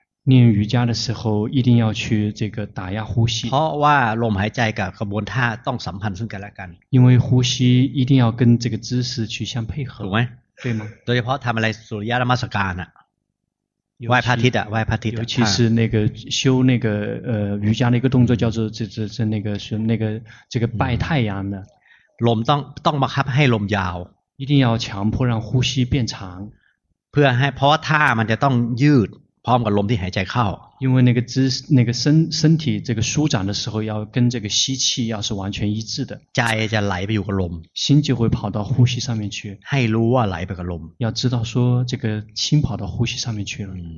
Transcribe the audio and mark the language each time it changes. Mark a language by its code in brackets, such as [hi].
[zh] 念瑜伽的时候一定要去这个打压呼吸 [th] เพราะว่าลมหายใจกับกระบวนท่าต้องสัมพันธ์ซึ่งกันและกัน [zh] 因为呼吸一定要跟这个姿势去相配合 [th] ถูกไหม [zh] 对吗 [th] โดยเฉพาะทำอะไรสุริยนมัสการอะไหว้พระอาทิตย์อ่ะไหว้พระอาทิตย์ [zh] 尤其是那个修那个瑜伽的一个动作叫做这那个是那个这个拜太阳的 [th] ลมต้องบังคับให้ลมยาว [zh] 一定要强迫让呼吸变长 [th] เพื่อให้เพราะท่ามันจะต้องยืดพร้อมกับลมที่หายใจเข้า [zh] 因为那个身体这个舒展的时候要跟这个吸气要是完全一致的 [th] ใจจะไหลไปอยู่กับลม [zh] 心就会跑到呼吸上面去 [th] ให้รู้ว่าไหลไปกับลม [zh] 要知道说这个心跑到呼吸上面去了